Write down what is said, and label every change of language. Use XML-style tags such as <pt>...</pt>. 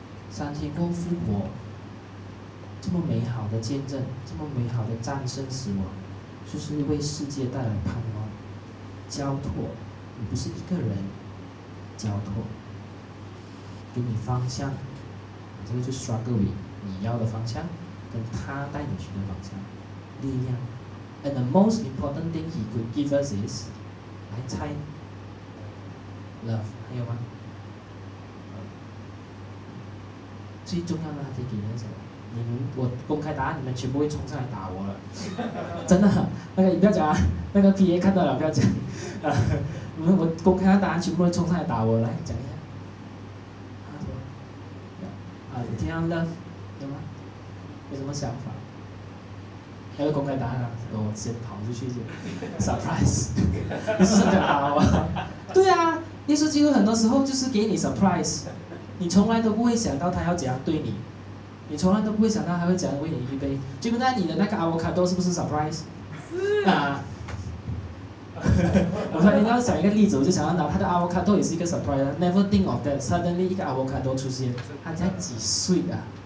<zh>三天后复活，这么美好的见证，这么美好的战胜死亡，就是为世界带来盼望、交托。你不是一个人，交托，给你方向，这个就是 struggle with 你要的方向，跟他带你去的方向，力量。</zh> <en>And the most important thing he could give us is，</en> <zh>来猜 ，love 还有吗？最重要的他可以给人什么？你们我公开答案，你们全部会冲上来打我了，真的。那个你不要讲啊，那个 PA 看到了不要讲。我公开的答案，全部会冲上来打我，来讲一下。他说，你听到 love 有吗？有什么想法？那个公开答案啊，我先跑出去就 surprise， 你是真的打我？对啊，耶稣基督很多时候就是给你 surprise， 你从来都不会想到他要怎样对你，你从来都不会想到他会怎样为你预备。就跟那你的那个 avocado 是不是 surprise？是啊。我突然要想一个例子，我就想到拿他的 avocado 也是一个 surprise。</zh> <en>Never think of that， suddenly</en> <zh>一个 avocado 出现，他才几岁啊？</zh>